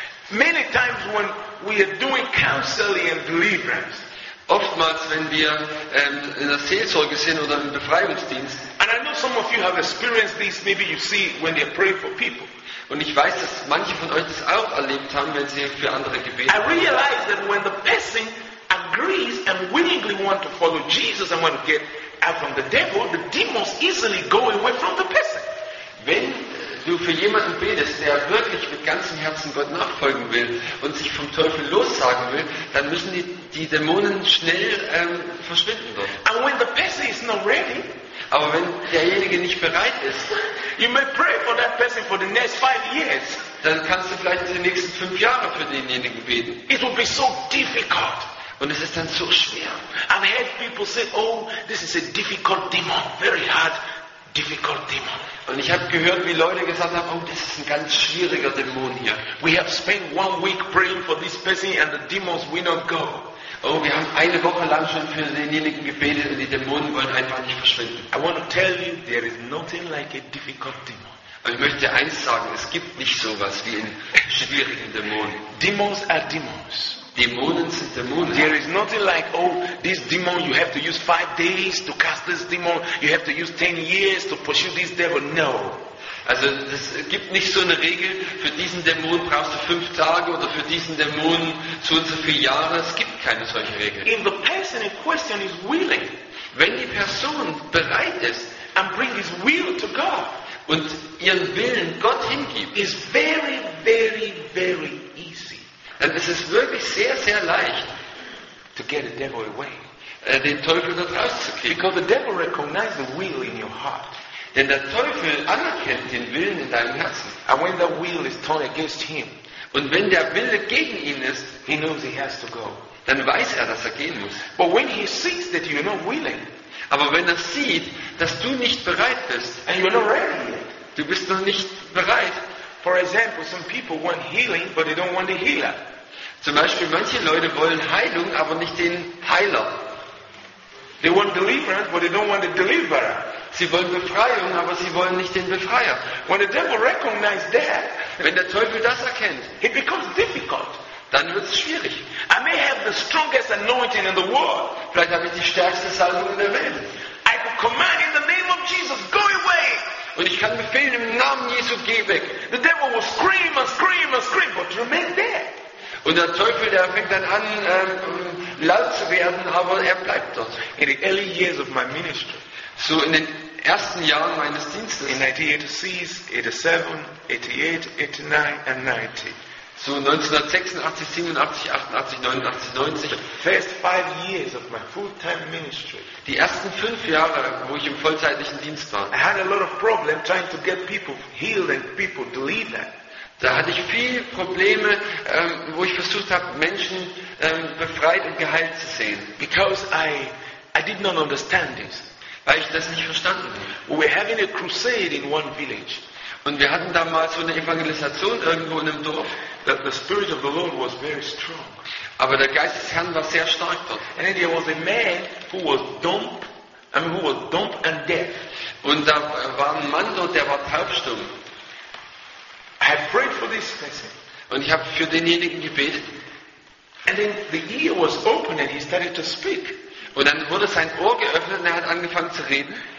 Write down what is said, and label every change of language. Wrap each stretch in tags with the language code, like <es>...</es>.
<en>Many times when we are doing counseling and deliverance,</en> <de>oftmals, wenn wir in der Seelsorge sind oder im Befreiungsdienst,</de> <en>and I know some of you have experienced this, maybe you see when they pray for people.</en> <de>Und ich weiß, dass manche von euch das auch erlebt haben, wenn sie für andere gebetet haben.</de> <en>I realize that when the person agrees and willingly want to follow Jesus and want to get out from the devil, the demons easily go away from the person.</en> <de>Wenn du für jemanden betest, der wirklich mit ganzem Herzen Gott nachfolgen will und sich vom Teufel lossagen will, dann müssen die Dämonen schnell verschwinden dort.</de> <en>And when the person is not ready,</en> <de>aber wenn derjenige nicht bereit ist,</de> <en>you may pray for that person for the next 5 years.</en> <de>Dann kannst du vielleicht die nächsten 5 Jahre für denjenigen beten.</de> <en>It will be so difficult.</en> <de>Und es ist dann so schwer.</de> <en>I've heard people say, oh, this is a difficult demon, very hard, difficult demon.</en> <de>Und ich habe gehört, wie Leute gesagt haben, oh, das ist ein ganz schwieriger Dämon hier.</de> <en>We have spent 1 week praying for this person and the demons will not go.</en> <de>Oh, wir haben eine Woche lang schon für denjenigen gebetet und die Dämonen wollen einfach nicht verschwinden.</de> <en>I want to tell you, there is nothing like a difficult demon.</en> <de>Und ich möchte eins sagen, es gibt nicht sowas wie einen schwierigen Dämon.</de> <en>Demons are demons.</en> <de>Dämonen sind Dämonen.</de> <en>There is nothing like, oh, this demon, you have to use 5 days to cast this demon, you have to use 10 years to pursue this devil. No.</en> <de>Also es gibt nicht so eine Regel, für diesen Dämon brauchst du 5 Tage oder für diesen Dämon so und so viele Jahre. Es gibt keine solche Regel.</de> <en>If the person in question is willing,</en> <de>wenn die Person bereit ist</de> <en>and bring his will to God,</en> <de>und ihren Willen Gott hingibt,</de> <en>is very, very, very easy,</en> <de>dann ist es wirklich sehr, sehr leicht,</de> <en>to get the devil away,</en> <de>den Teufel dort rauszukriegen.</de> <en>Because the devil recognizes the will in your heart.</en> <de>Denn der Teufel anerkennt den Willen in deinem Herzen.</de> <en>And when the will is turned against him,</en> <de>und wenn der Wille gegen ihn ist,</de> <en>he knows he has to go.</en> <de>Dann weiß er, dass er gehen muss.</de> <en>But when he sees that you're not willing,</en> <de>aber wenn er sieht, dass du nicht bereit bist,</de> <en>and you're not ready yet,</en> <de>du bist noch nicht bereit.</de> <en>For example, some people want healing, but they don't want the healer.</en> <de>Zum Beispiel, manche Leute wollen Heilung, aber nicht den Heiler.</de> <en>They want deliverance, but they don't want the deliverer.</en> <de>Sie wollen Befreiung, aber sie wollen nicht den Befreier.</de> <en>When the devil recognizes that,</en> <de>wenn der Teufel das erkennt,</de> <en>it becomes difficult.</en> <de>Dann wird es schwierig.</de> <en>I may have the strongest anointing in the world.</en> <de>Vielleicht habe ich die stärkste Salbung in der Welt.</de> <en>I can command in the name of Jesus, go away.</en> <de>Und ich kann befehlen im Namen Jesu, geh weg.</de> <en>The devil will scream and scream and scream, but remain there.</en> <de>Und der Teufel, der fängt dann an, laut zu werden, aber er bleibt dort.</de> <en>In the early years of my ministry.</en> <de>So in den ersten Jahren meines Dienstes.</de> <en>In 1986, 87, 88, 89, and 90.</en> <de>So 1986, 87, 88, 89, 90.</de> <en>The first 5 years of my full-time ministry.</en> <de>Die ersten 5 Jahre, wo ich im vollzeitlichen Dienst war.</de> <en>I had a lot of problem trying to get people healed and people delivered.</en> <de>Da hatte ich viele Probleme, wo ich versucht habe, Menschen befreit und geheilt zu sehen.</de> <en>Because I did not understand this.</en> <de>Weil ich das nicht verstanden habe.</de> <en>We're having a crusade in one village.</en> <de>Und wir hatten damals so eine Evangelisation irgendwo in einem Dorf.</de> <en>That the Spirit of the Lord was very strong.</en> <de>Aber der Geist des Herrn war sehr stark dort.</de> <en>And then there was a man who was dumb and deaf.</en> <de>Und da war ein Mann dort, der war taubstumm.</de> <en>I prayed for this person.</en> <de>Und ich habe für denjenigen gebetet.</de> <en>And then the ear was open and he started to speak.</en> <de>Und dann wurde sein Ohr geöffnet und er hat angefangen zu reden.</de>